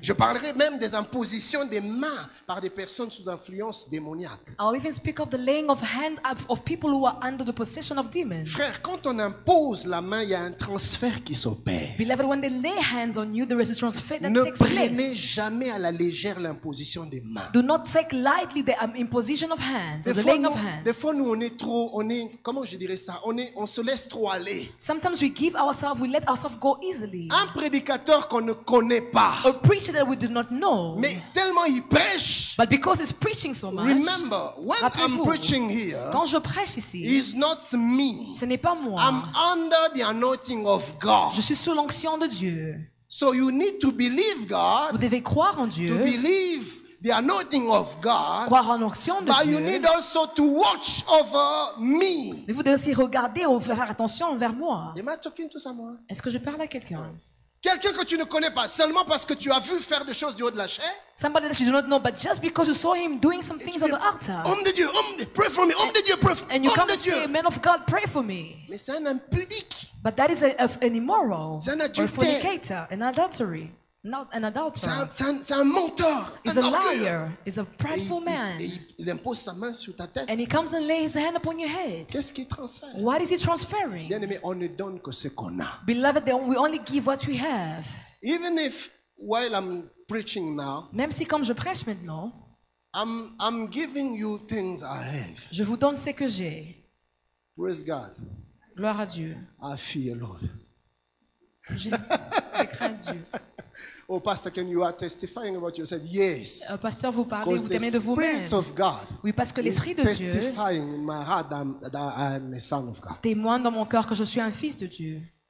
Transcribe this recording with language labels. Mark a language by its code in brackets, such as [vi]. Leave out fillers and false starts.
[fr] Je parlerai même des impositions des mains par des personnes sous influence démoniaque. [en] I'll even speak of the laying of hands of people who are under the possession of demons. [fr] Frère, quand on impose la main, il y a un transfert qui s'opère. [en] Beloved, when they lay hands on you, there is a transfer that [fr] ne [en] takes place. [fr] Ne prenez jamais à la légère l'imposition des mains. [en] Do not take lightly the imposition of hands, [fr] des [en] or the laying of hands. [fr] Des fois, nous, on se laisse trop aller. [en] Sometimes we let ourselves go easily. [fr] Un prédicateur qu'on ne connaît pas. [en] A preacher that we do not know. [fr] Mais tellement il prêche. [en] But because he's preaching so much. Remember, when I'm preaching here. [fr] Quand je prêche ici. [en] It's not me. [fr] Ce n'est pas moi. [en] I'm under the anointing of God. [fr] Je suis sous l'onction de Dieu. [en] So you need to believe God. [fr] Vous devez croire en Dieu. [en] To believe the anointing of God. [fr] Croire en l'onction de [en] but [fr] Dieu. [en] But you need also to watch over me. [fr] Mais vous devez aussi regarder ou faire attention envers moi. [en] Am I talking to someone? [fr] Est-ce que je parle à quelqu'un? Quelqu'un que tu ne connais pas seulement parce que tu as vu faire des choses du haut de la chair. [en] Somebody that you do not know, but just because you saw him doing some things on the altar. [fr] Homme de Dieu, [en] pray for me. [fr] Homme de Dieu, [en] pray for me. And you come and say, man of God, pray for me. [fr] Mais c'est un impudique. [en] But that is an immoral. [fr] C'est un adultère. [en] Or a fornicator, an adultery, not an adulterer. [fr] C'est un menteur. [en] Is a liar. Is a prideful man. [fr] Il impose sa main sur ta tête. [en] And he comes and lays his hand upon your head. [fr] Qu'est-ce qu'il transfère? [en] What is he transferring? [fr] Bien-aimé, on ne donne que ce qu'on a. [en] Beloved, we only give what we have. Even if while I'm preaching now. [fr] Même si comme je prêche maintenant. [en] I'm giving you things I have. [fr] Je vous donne ce que j'ai. [en] Praise God. [fr] Gloire à Dieu. [en] I fear Lord. [fr] Je crains Dieu. [en] Oh, Pastor, can you are testifying about yourself? Yes. [fr] Pasteur, vous parlez, vous témoignez de vous-même. [en] Because the Spirit of God. [fr] Oui, parce que l'Esprit de Dieu. [en] Testifying in my heart that I am a son of God. [fr] Témoigne dans mon cœur que je suis un fils de Dieu.